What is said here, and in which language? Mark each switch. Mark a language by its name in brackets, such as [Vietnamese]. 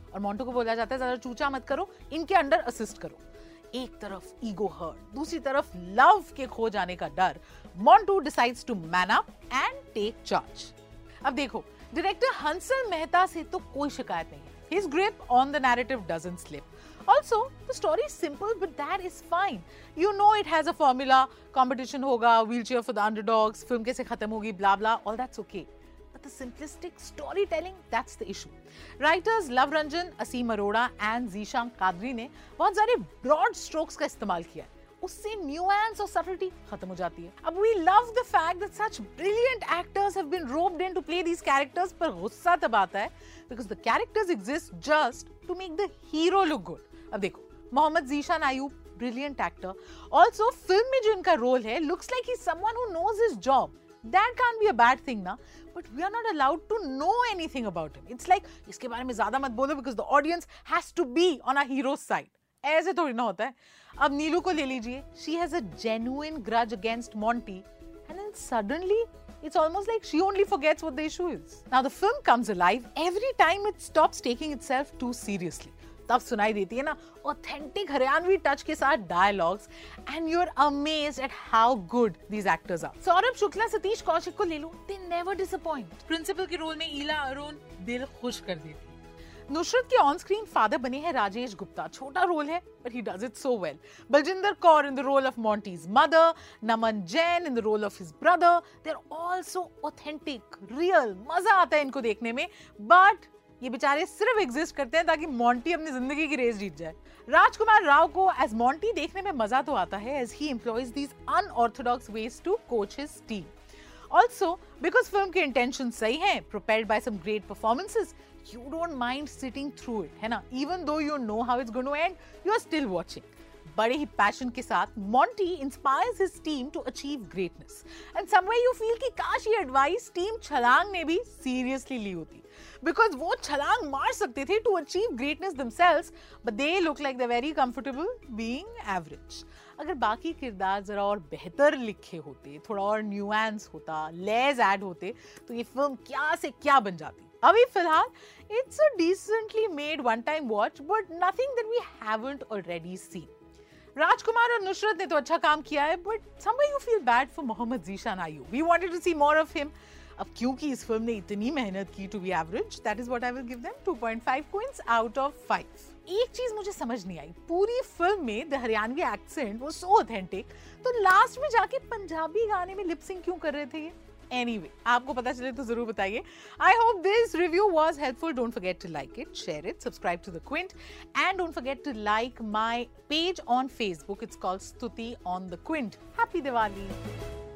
[Hindi] और मोंटू को बोला जाता है ज्यादा चूचा मत करो, इनके अंडर असिस्ट करो. एक तरफ ईगो हर्ट, दूसरी तरफ लव के खो जाने का डर. Montu decides to man up and take charge. अब देखो डायरेक्टर हंसल मेहता से तो कोई शिकायत नहीं. [English] His grip on the narrative doesn't slip. Also, the story is simple, but that is fine. You know it has a formula, competition hoga, wheelchair for the underdogs, film kaise khatam hogi, blah blah, all that's okay. But the simplistic storytelling, that's the issue. Writers Love Ranjan, Aseem Arora and Zeeshan Kadri ne bahut sare broad strokes ka istemal kiya hai. [Hindi] Usse nuance aur subtlety khatam ho jati hai. [English] Ab we love the fact that such brilliant actors have been roped in to play these characters, par gussa tab aata hai because the characters exist just to make the hero look good. Ab dekho Mohammad Zeeshan Ayub, brilliant actor, also film mein jo inka role hai looks like he's someone who knows his job. That can't be a bad thing na, but we are not allowed to know anything about him. It's like iske bare mein zyada mat bolo because the audience has to be on our hero's side. [Hindi] ऐसे थोड़ी ना होता है. [English] अब नीलू को ले लीजिए, she has a genuine grudge against Monty and then suddenly it's almost like she only forgets what the issue is. Now the film comes alive every time it stops taking itself too seriously. [Hindi] तब सुनाई देती है ना authentic Haryanvi touch के साथ dialogues and you are amazed eight how good these actors are. Saurabh Shukla Satish Kaushik को ले लो, दे never disappoint. Principal के रोल में इला अरुण दिल खुश कर देती. नुसरत के ऑन स्क्रीन फादर बने हैं राजेश गुप्ता, छोटा रोल है but he does it so well. [English] Baljinder Kaur in the role of Monty's mother, Naman Jain in the role of his brother, they are all so authentic real. [Hindi] मजा आता है इनको देखने में, बट ये बेचारे सिर्फ एग्जिस्ट करते हैं ताकि मोंटी अपनी जिंदगी की रेस जीत जाए. राजकुमार राव को एज मोंटी देखने में मजा तो आता है as he employees these unorthodox ways to coach his team. [English] Also because film के intention सही है, propelled by some great performances, you don't mind sitting through it, hai na? Even though you know how it's going to end, you're still watching. Bade hi passion ke saath, Monty inspires his team to achieve greatness. And somewhere you feel ki kaash ye advice team Chalang ne bhi seriously li hoti. Because wo Chalang maar sakte the to achieve greatness themselves, but they look like they're very comfortable being average. [Hindi] अगर बाकी किरदार जरा और बेहतर लिखे होते, थोड़ा और न्यूएंस होता, लेस ऐड होते, तो ये फिल्म क्या से क्या बन जाती. [English] अभी फिलहाल it's a decently made one time watch, but nothing that we haven't already seen. [Hindi] राजकुमार और नुसरत ने तो अच्छा काम किया है, but somewhere you feel bad for Mohammad Zeeshan आयू. [English] We wanted to see more of him. अब क्योंकि इस फिल्म ने इतनी मेहनत की to be average, that is what I will give them, 2.5 queens out of 5. [Hindi] एक चीज मुझे समझ नहीं आई, पूरी फिल्म में the Haryanvi accent was so authentic, तो लास्ट में जाके पंजाबी गाने में लिप सिंक क्यों कर रहे थे ये? [English] Anyway, आपको पता चले तो जरूर बताइए. I hope this review was helpful. Don't forget to like it, share it, subscribe to the Quint, and don't forget to like my page on Facebook. It's called Stuti on the Quint. Happy Diwali!